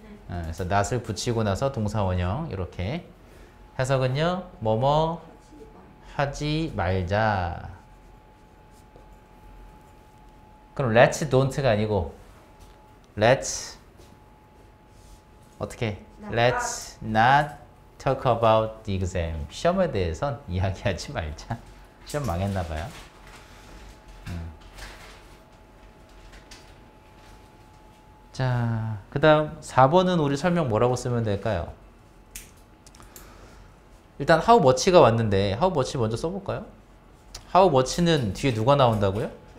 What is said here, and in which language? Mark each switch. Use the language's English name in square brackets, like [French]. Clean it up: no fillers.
[Korean] 그래서 not을 붙이고 나서 동사 원형 이렇게 해석은요, 뭐뭐 하지 말자. 그럼 [English] let's don't [Korean] 가 아니고 let's 어떻게? [English] Let's not talk about the exam. [Korean] 시험에 대해선 이야기하지 말자. 시험 망했나 봐요. 자, 그 다음 4번은 우리 설명 뭐라고 쓰면 될까요? 일단 how much가 왔는데 how much 먼저 써볼까요? how much는 뒤에 누가 나온다고요?